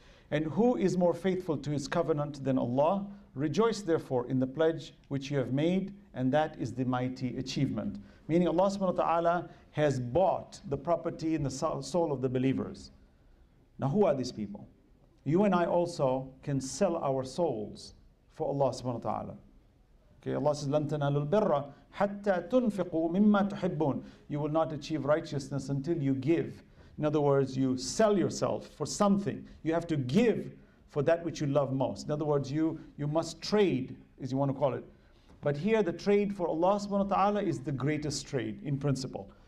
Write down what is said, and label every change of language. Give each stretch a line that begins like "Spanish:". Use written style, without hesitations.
English: And who is more faithful to His covenant than Allah? Rejoice therefore in the pledge which you have made, and that is the mighty achievement. Meaning Allah subhanahu wa ta'ala has bought the property in the soul of the believers. Now who are these people? You and I also can sell our souls for Allah subhanahu wa ta'ala. Okay, Allah says,
Arabic: لَن تَنَالُ الْبِرَّ حَتَّى تُنْفِقُوا مِمَّا تُحِبُّونَ.
English: You will not achieve righteousness until you give. In other words, you sell yourself for something. You have to give for that which you love most. In other words, you must trade, as you want to call it. But here, the trade for Allah subhanahu wa ta'ala is the greatest trade in principle.